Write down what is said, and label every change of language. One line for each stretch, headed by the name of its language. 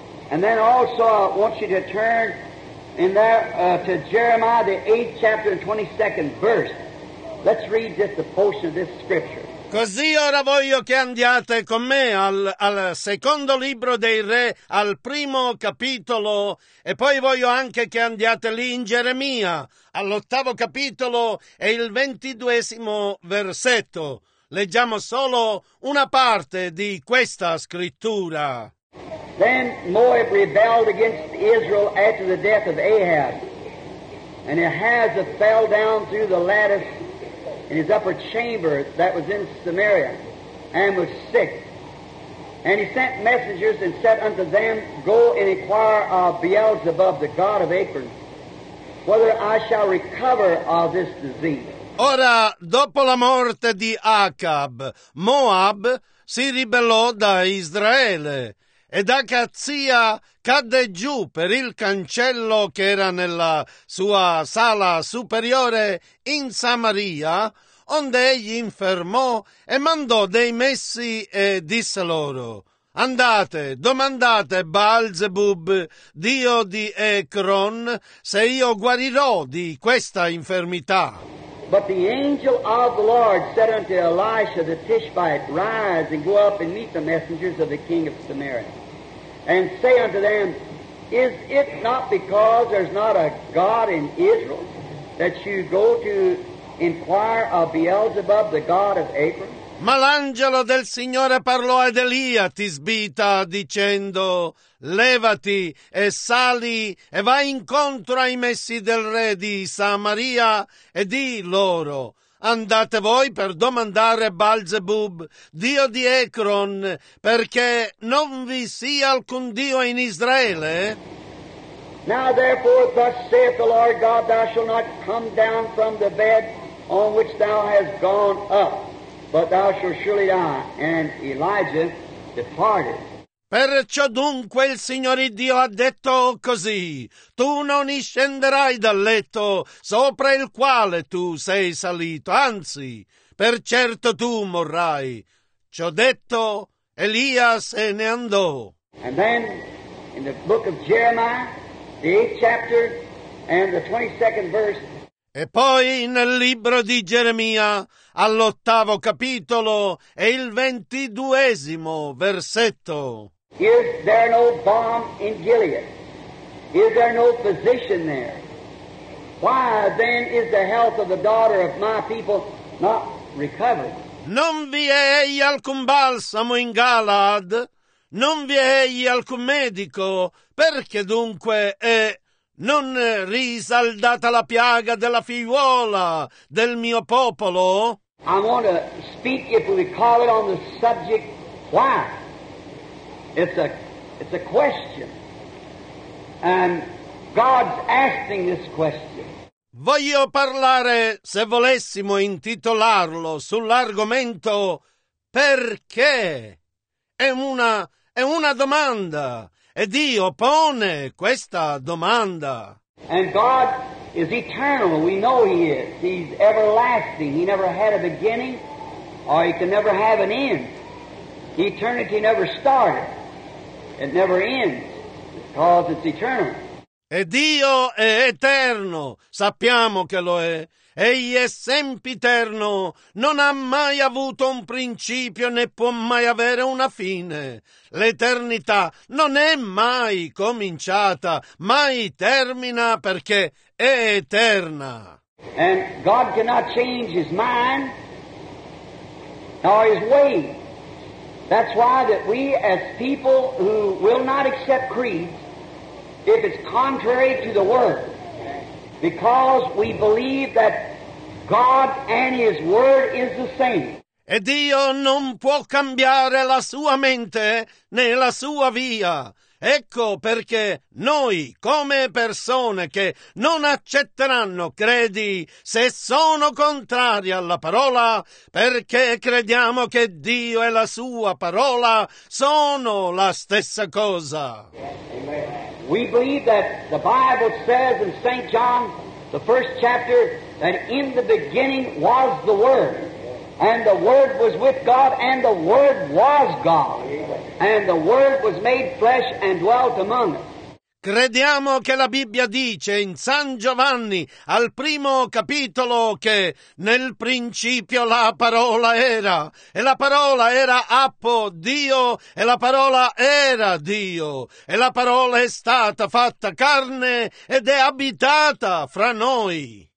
English: And then also I want you to turn in there to Jeremiah, the 8th chapter and 22nd verse. Let's read just a portion of this scripture.
Italian: Così ora voglio che andiate con me al secondo libro dei re, al primo capitolo, e poi voglio anche che andiate lì in Geremia, all'8° capitolo e il 22° versetto. Leggiamo solo una parte di questa scrittura.
English: Then Moab rebelled against Israel after the death of Ahab, and Ahaziah fell down through the lattice in his upper chamber that was in Samaria, and was sick. And he sent messengers and said unto them, "Go and inquire of Beelzebub, the god of Ekron, whether I shall recover of this disease."
Italian: Ora, dopo la morte di Acab, Moab si ribellò da Israele. Ed Acazia cadde giù per il cancello che era nella sua sala superiore in Samaria, onde egli infermò e mandò dei messi e disse loro, Andate, domandate Baalzebub, dio di Ecron, se io guarirò di questa infermità.
English: But the angel of the Lord said unto Elisha the Tishbite, rise and go up and meet the messengers of the king of Samaria, and say unto them, is it not because there's not a God in Israel that you go to inquire of Beelzebub, the god of Ekron?
Italian: Ma l'angelo del Signore parlò ad Elia, Tisbita, dicendo, levati e sali e vai incontro ai messi del re di Samaria e di loro, andate voi per domandare Baalzebub, dio di Ekron, perché non vi sia alcun dio in Israele?
English: Now therefore thus saith the Lord God, thou shalt not come down from the bed on which thou hast gone up. But thou shalt surely die. And Elijah departed.
Italian: Perciò dunque il Signore Dio ha detto così, tu non scenderai dal letto sopra il quale tu sei salito, anzi, per certo tu morrai. Ciò detto, Elia se ne andò.
English: And then, in the book of Jeremiah, the 8th chapter, and the 22nd verse,
Italian: e poi nel libro di Geremia, all'ottavo capitolo e il 22esimo versetto.
English: Is there no balm in Gilead? Is there no physician there? Why then is the health of the daughter of my people not recovered?
Italian: Non vi è egli alcun balsamo in Galaad? Non vi è egli alcun medico? Perché dunque è non risaldata la piaga della figliuola del mio popolo?
English: I want to speak, if we call it, on the subject, why? It's a question. And God's asking this question.
Italian: Voglio parlare, se volessimo intitolarlo, sull'argomento perché. È una domanda. E Dio pone questa domanda.
English: And God is eternal. We know He is. He's everlasting. He never had a beginning, or He can never have an end. Eternity never started. It never ends, because it's eternal.
Italian: E Dio è eterno. Sappiamo che lo è. Egli è sempiterno, non ha mai avuto un principio, né può mai avere una fine. L'eternità non è mai cominciata, mai termina, perché è eterna.
English: And God cannot change His mind, nor His way. That's why that we as people who will not accept creeds, if it's contrary to the Word, because we believe that God and His Word is the same.
Italian: E Dio non può cambiare la sua mente né la sua via. Ecco perché noi, come persone che non accetteranno credi se sono contrari alla parola, perché crediamo che Dio e la sua parola sono la stessa cosa.
English: Amen. We believe that the Bible says in St. John, the first chapter, that in the beginning was the Word, and the Word was with God, and the Word was God, and the Word was made flesh and dwelt among us.
Italian: Crediamo che la Bibbia dice in San Giovanni, al primo capitolo, che nel principio la parola era, e la parola era appo Dio, e la parola era Dio, e la parola è stata fatta carne ed è abitata fra noi.